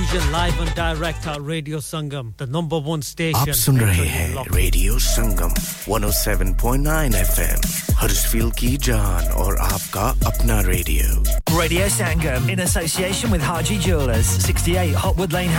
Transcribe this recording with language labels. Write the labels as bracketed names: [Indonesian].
[English] Live and direct at Radio Sangam, the number one station. [Hindi] आप सुन रहे हैं Radio Sangam 107.9 FM, Huddersfield की जान और आपका अपना radio. [English] Radio Sangam in association with Haji Jewelers, 68 Hotwood Lane.